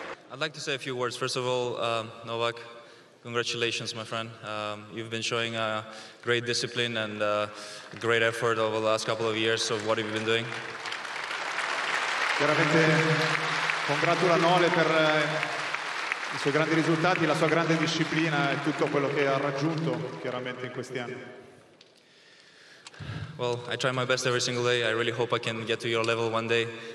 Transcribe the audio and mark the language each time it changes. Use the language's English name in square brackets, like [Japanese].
[English] I'd like to say a few words. First of all, Novak, congratulations, my friend. You've been showing great discipline and great effort over the last couple of years of what you've been doing. [Italian] Chiaramente congratula Nole per i suoi grandi risultati, la sua grande disciplina e tutto quello che ha raggiunto chiaramente in questi anni. [English] Well, I try my best every single day. I really hope I can get to your level one day.